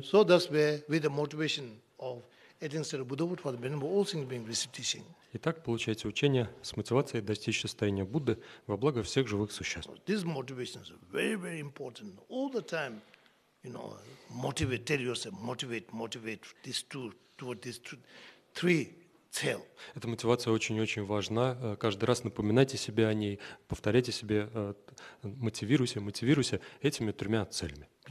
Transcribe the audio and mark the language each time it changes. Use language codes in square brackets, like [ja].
[en] So that's where with the motivation of Edinson Buddhawood for the benefit of all things being received teaching. [ru] Итак, получается учение с мотивацией достичь состояния Будды во благо всех живых существ. [en] This motivation is very, very important. All the time, you know, motivate, tell yourself, motivate, motivate these two, toward these two, three. [ru] Эта мотивация очень-очень важна. Каждый раз напоминайте себе о ней, повторяйте себе, мотивируйся, мотивируйся этими тремя целями.